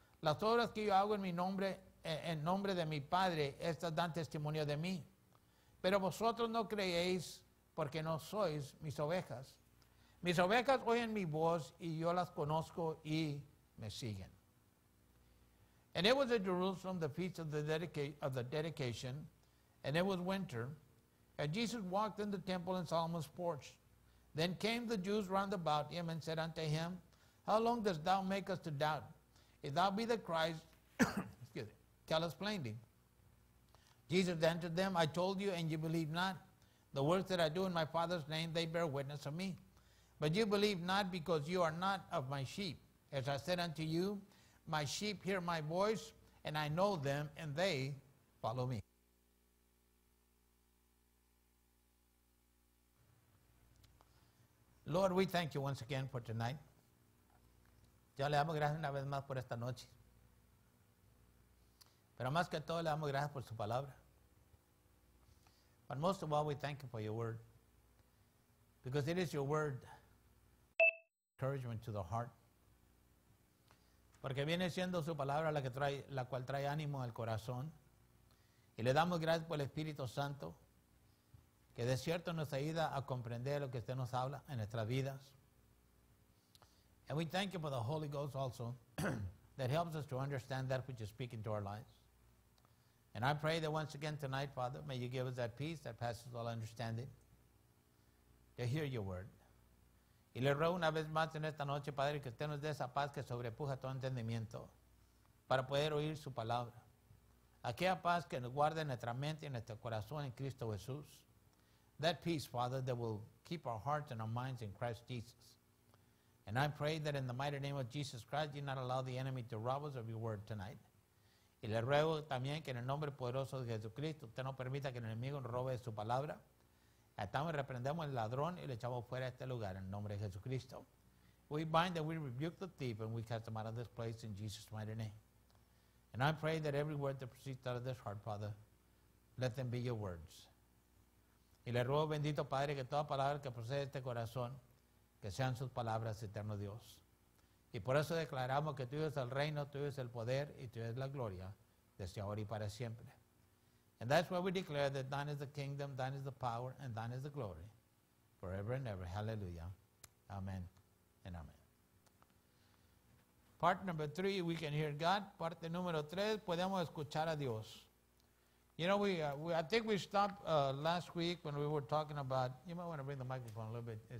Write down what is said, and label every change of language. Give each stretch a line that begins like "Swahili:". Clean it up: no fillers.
Spanish: Las obras que yo hago en mi nombre, en nombre de mi Padre, estas dan testimonio de mí. Pero vosotros no creéis porque no sois mis ovejas. Mis ovejas oyen mi voz y yo las conozco y me siguen.
English: And it was in Jerusalem, the feast of the dedication, and it was winter, and Jesus walked in the temple in Solomon's porch. Then came the Jews round about him and said unto him, how long dost thou make us to doubt? If thou be the Christ, tell us plainly. Jesus answered them, I told you, and you believe not. The works that I do in my Father's name, they bear witness of me. But you believe not because you are not of my sheep. As I said unto you, my sheep hear my voice, and I know them, and they follow me. Lord, we thank you once again for tonight.
Spanish: Yo le damos gracias una vez más por esta noche. Pero más que todo, le damos gracias por su palabra.
English: But most of all, we thank you for your word. Because it is your word, encouragement to the heart.
Spanish: Porque viene siendo su palabra la cual trae ánimo al corazón. Y le damos gracias por el Espíritu Santo, que de cierto nos ayuda a comprender lo que usted nos habla en nuestras vidas.
English: And we thank you for the Holy Ghost also that helps us to understand that which is speaking to our lives. And I pray that once again tonight, Father, may you give us that peace that passes all understanding to hear your word.
Spanish: Y le ruego una vez más en esta noche, Padre, que usted nos dé esa paz que sobrepuja todo entendimiento para poder oír su palabra. Aquella paz que nos guarde en nuestra mente y en nuestro corazón en Cristo Jesús.
English: That peace, Father, that will keep our hearts and our minds in Christ Jesus. And I pray that in the mighty name of Jesus Christ, you not allow the enemy to rob us of your word tonight.
Spanish: Y le ruego también que en el nombre poderoso de Jesucristo, usted no permita que el enemigo nos robe su palabra. Atamos y reprendemos el ladrón y le echamos fuera de este lugar en el nombre de Jesucristo.
English: We bind and we rebuke the thief and we cast him out of this place in Jesus' mighty name. And I pray that every word that proceeds out of this heart, Father, let them be your words.
Spanish: Y le ruego, bendito Padre, que toda palabra que procede de este corazón, que sean sus palabras, eterno Dios. Y por eso declaramos que tuyo es el reino, tuyo es el poder y tuyo es la gloria, desde ahora y para siempre.
English: And that's why we declare that thine is the kingdom, thine is the power, and thine is the glory, forever and ever. Hallelujah. Amen and amen. Part number three, we can hear God.
Spanish: Parte número tres, podemos escuchar a Dios.
English: You know, I think we stopped last week when we were talking about, you might want to bring the microphone a little bit.